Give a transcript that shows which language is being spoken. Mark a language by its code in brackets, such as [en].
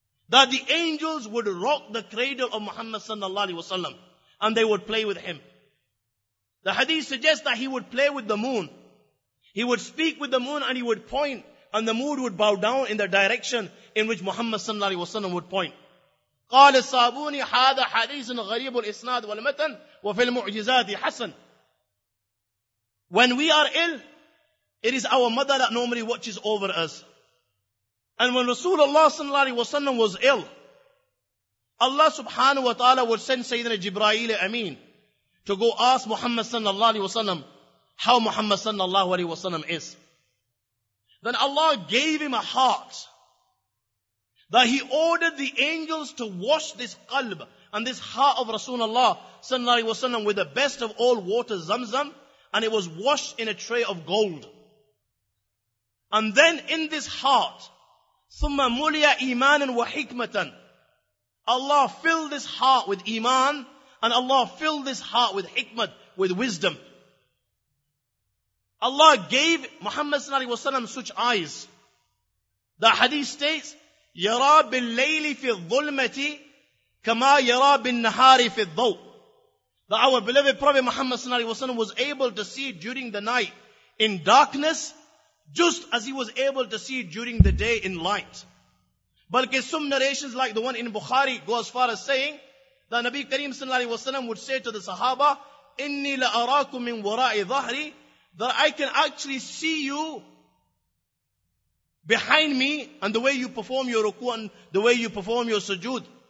[en] that the angels would rock the cradle of Muhammad sallallahu alaihi wasallam and they would play with him. The hadith suggests that he would play with the moon. He would speak with the moon and he would point, and the moon would bow down in the direction in which Muhammad sallallahu alaihi wasallam would point. [ar] قال الصابوني هذا حديث غريب الإسناد والمتن وفي المعجزات حسن. [en] When we are ill, it is our mother that normally watches over us. And when Rasulullah sallallahu alaihi wasallam was ill, Allah subhanahu wa ta'ala would send Sayyidina Jibreel Amin to go ask Muhammad sallallahu alaihi wasallam how Muhammad sallallahu alaihi wasallam is. Then Allah gave him a heart that he ordered the angels to wash this qalb and this heart of Rasulullah sallallahu alaihi wasallam with the best of all water, Zamzam, and it was washed in a tray of gold. And then in this heart, [ar] ثم مليا إيمانا وحكمة, [en] Allah filled this heart with iman and Allah filled this heart with hikmat, with wisdom. Allah gave Muhammad sallallahu alaihi wasallam such eyes. The hadith states, [ar] يرى بالليل في الظلمة كما يرى بالنهار في الضوء. [en] That our beloved Prophet Muhammad sallallahu alaihi wasallam was able to see during the night in darkness, just as he was able to see during the day in light. Balki some narrations like the one in Bukhari go as far as saying that Nabi Kareem sallallahu alaihi wasallam would say to the Sahaba, [ar] إني لأراكم من وراء ظهري, [en] that I can actually see you behind me and the way you perform your ruku and the way you perform your sujood.